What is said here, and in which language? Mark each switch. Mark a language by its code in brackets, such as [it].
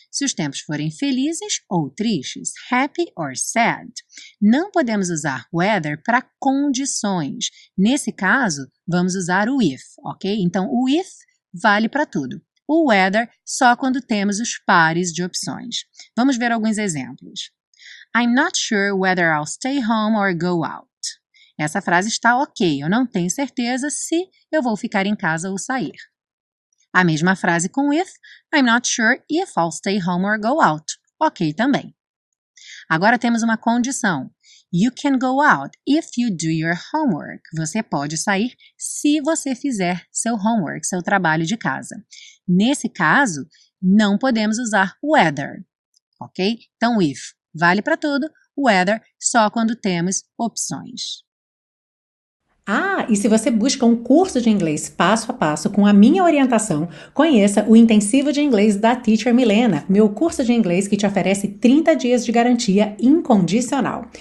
[pt] Se os tempos forem felizes ou tristes. [en] Happy or sad. [pt] Não podemos usar whether para condições. Nesse caso, vamos usar o if, ok? Então, o if vale para tudo. O whether, só quando temos os pares de opções. Vamos ver alguns exemplos. [en] I'm not sure whether I'll stay home or go out. [pt] Essa frase está ok, eu não tenho certeza se eu vou ficar em casa ou sair. A mesma frase com if, [en] I'm not sure if I'll stay home or go out. [pt] Ok também. Agora temos uma condição. [en] You can go out if you do your homework. [pt] Você pode sair se você fizer seu homework, seu trabalho de casa. Nesse caso, não podemos usar whether. Ok? Então, if vale para tudo, whether só quando temos opções. Ah, e se você busca um curso de inglês passo a passo com a minha orientação, conheça o Intensivo de Inglês da Teacher Milena, meu curso de inglês que te oferece 30 dias de garantia incondicional.